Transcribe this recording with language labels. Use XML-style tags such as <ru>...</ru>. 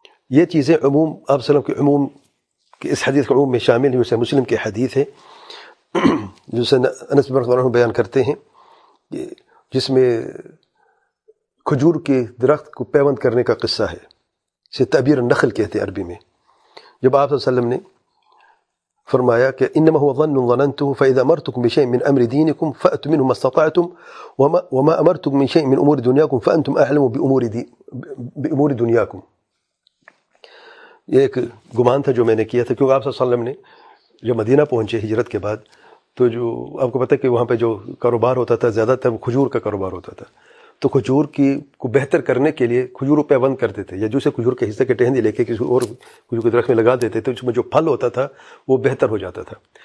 <ur>یہ چیزیں عموم آپ صلی اللہ علیہ وسلم کے عموم کے اس حدیث کے عموم میں شامل ہیں، جیسے مسلم کے حدیث ہے جسے انس بن عفان بیان کرتے ہیں، جس میں کھجور کے درخت کو پیوند کرنے کا قصہ ہے، اسے تعبیر النخل کہتے ہیں عربی میں.</ur> <ar>جب آپ صلی اللہ علیہ وسلم نے فرمایا کہ انما هو ظن ظننته فاذا امرتكم بشيء من امر دينكم فاتوا منه ما استطعتم وما امرتكم من شيء من امور دنياكم فانتم اعلم بامور دنياكم.</ar> <ur>یہ ایک گمان تھا جو میں نے کیا تھا، کیونکہ آپ صلی اللہ علیہ وسلم نے جب مدینہ پہنچے ہجرت کے بعد تو جو آپ کو پتہ ہے کہ وہاں پہ جو کاروبار ہوتا تھا زیادہ تر وہ کھجور کا کاروبار ہوتا تھا, تو کھجور کی کو بہتر کرنے کے لیے کھجور پیوند کرتے تھے, یا جو سے کھجور کے حصے کے ٹہنی لے کے کسی اور کھجور کے درخت میں لگا دیتے تھے, اس میں جو پھل ہوتا تھا وہ بہتر ہو جاتا تھا.</ur>